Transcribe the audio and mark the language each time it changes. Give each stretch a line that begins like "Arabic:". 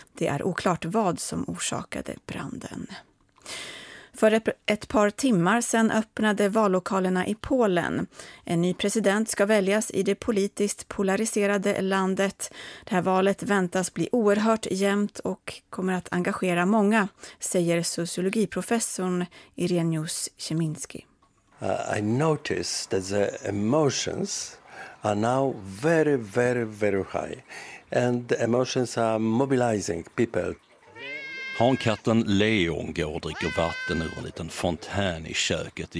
Swedish: Det är oklart vad som orsakade branden. För ett par timmar sedan öppnade vallokalerna i Polen. En ny president ska väljas i det politiskt polariserade landet. Det här valet väntas bli oerhört jämnt och kommer att engagera många, säger sociologiprofessorn Ireneusz Cieminski.
English: I notice that the emotions are now very, very, very high. And the emotions are mobilizing people.
Swedish: Hankatten Leon går och dricker vatten ur en liten fontän i köket i